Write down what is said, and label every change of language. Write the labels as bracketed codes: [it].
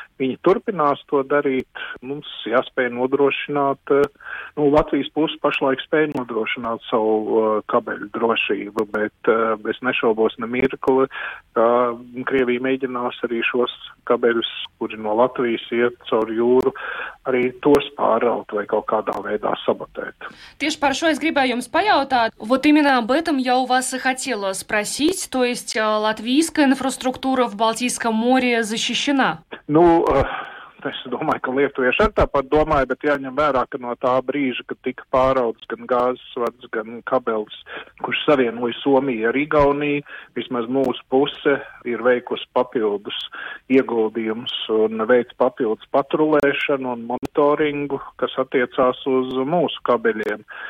[lv] Viņi turpinās to darīt. Mums jāspēj nodrošināt, nu, Latvijas puse pašlaik spēj nodrošināt savu kabeļu drošību, bet es nešaubos ne mirkli, ka Krievija mēģinās arī šos kabeļus, kuri no Latvijas iet caur jūru, arī tos pārraut vai kaut kādā veidā sabotēt. Tieši par šo es gribēju jums pajautāt. [ru] Вот именно об этом я у вас и хотела спросить, то есть латвийская инфраструктура в Балтийском море защищена? [lv] Ну, es domāju, ka lietuvieši ar tāpat domāju, bet jāņem vērā, ka no tā brīža, kad tika pāraudz gan gāzes vads, gan kabels, kurš savienoja Somiju ar Igauniju, vismaz mūsu puse ir veikusi papildus ieguldījums un veic papildus patrulēšanu un monitoringu, kas attiecās uz mūsu kabeļiem.